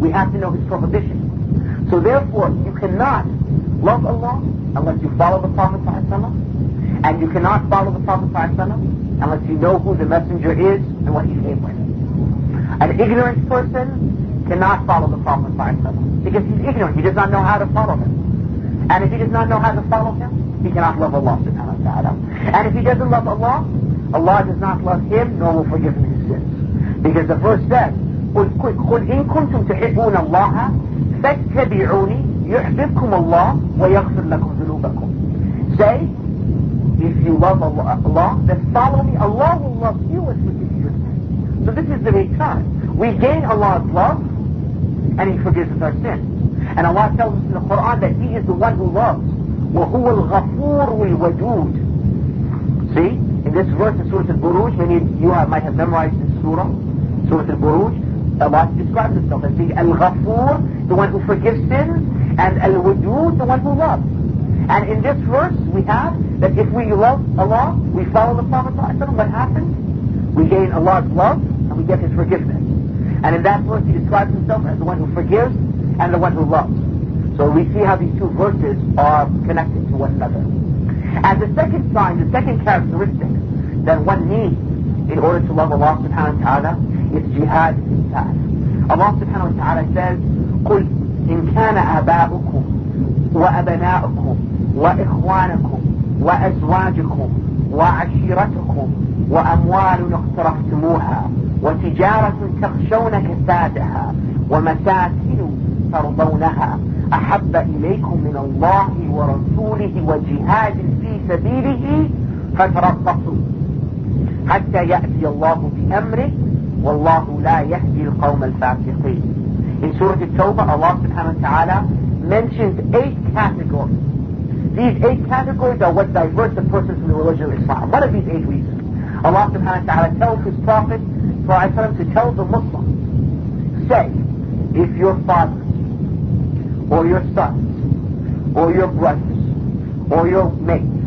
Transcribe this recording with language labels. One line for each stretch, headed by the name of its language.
English: We have to know his prohibition. So therefore, you cannot love Allah unless you follow the Prophet Sallallahu Alaihi Wasallam, and you cannot follow the Prophet Sallallahu Alaihi Wasallam unless you know who the messenger is and what he came with. An ignorant person cannot follow the Prophet by himself because he's ignorant. He does not know how to follow him. And if he does not know how to follow him, he cannot love Allah subhanahu wa ta'ala. And if he doesn't love Allah, Allah does not love him nor will forgive him his sins. Because the verse says,
Arabic: قُلْ إِن كُنْتُمْ تُحِبُّونَ اللَّهَ فَاتَّبِعُونِي يُحْبِبْكُمُ اللَّهُ وَيَغْفِرْ لَكُمْ ذُنُوبَكُمْ.
English: Say, if you love Allah, then follow me. Allah will love you as we give you your sins. So this is the return. We gain Allah's love, and he forgives us our sins. And Allah tells us in the Quran that he is the one who loves.
Arabic: وَهُوَ الْغَفُورُ الْوَدُودُ.
English: See, in this verse in Surah Al-Buruj, many of you might have memorized this Surah Al-Buruj, Allah describes himself as being Al-Ghafoor, the one who forgives sins, and Al-Wadood, the one who loves. And in this verse, we have that if we love Allah, we follow the Prophet Sallallahu Alaihi Wasallam, what happens? We gain Allah's love, and we get his forgiveness. And in that verse, he describes himself as the one who forgives and the one who loves. So we see how these two verses are connected to one another. And the second sign, the second characteristic that one needs in order to love Allah subhanahu wa ta'ala is jihad in that. Allah subhanahu wa ta'ala says,
Arabic: قُلْ إِن كَانَ أَبَاؤُكُمْ وَأَبَنَاؤُكُمْ وَإِخْوَانَكُمْ وَأَزْوَاجُكُمْ وَعَشِيرَتُكُمْ وَأَمْوَالٌ اقْتَرَفْتُمُوهَا وَتِجَارَةٌ تَخْشَوْنَ كَسَادَهَا وَمَسَاكِنٌ تَرْضَوْنَهَا أَحَبَّ إِلَيْكُمْ مِنَ اللَّهِ وَرَسُولِهِ وَجِهَادٍ فِي سَبِيلِهِ فَتَرَبَّصُوا حَتَّى يَأْتِيَ اللَّهُ بِأَمْرِهِ وَاللَّهُ لَا يَهْدِي الْقَوْمَ الْفَاسِقِينَ.
English: In Surah At-Tawbah, Allah subhanahu wa ta'ala mentions eight categories. These eight categories are what divert the person from the religion of Islam. What are these eight reasons? Allah subhanahu wa ta'ala tells his Prophet, for I tell him to tell the Muslim, say, if your father, or your sons, or your brothers, or your mates,